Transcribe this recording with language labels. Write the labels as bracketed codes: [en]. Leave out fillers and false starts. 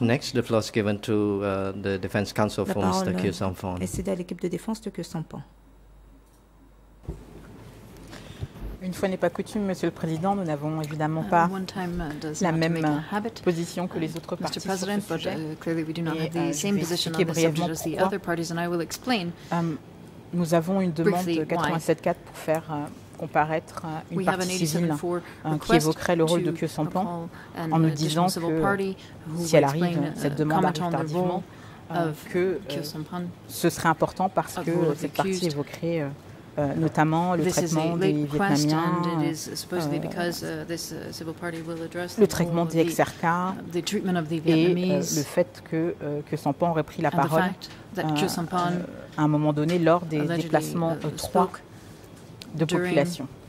[en] Next, the floor is given to the defense counsel for Mr. Kyu Sampan. [fr] Et c'est à l'équipe de défense de Kyu Sampan. Une fois n'est pas coutume, Monsieur le Président, nous n'avons évidemment pas la même position que les autres parties. [en] Mr. President, but clearly we do not have the same position on the subject as the other parties, and I will explain. [fr] Nous avons une demande de 87.4 pour faire comparaître une partie civile qui évoquerait le rôle de Kyu Sampan en nous disant que si elle arrive, cette demande arrive tardivement, que ce serait important parce que cette partie évoquerait notamment le traitement des Vietnamiens, le traitement des ex-RK et le fait que Kyu Sampan aurait pris la parole à un moment donné lors des déplacements 3 de population.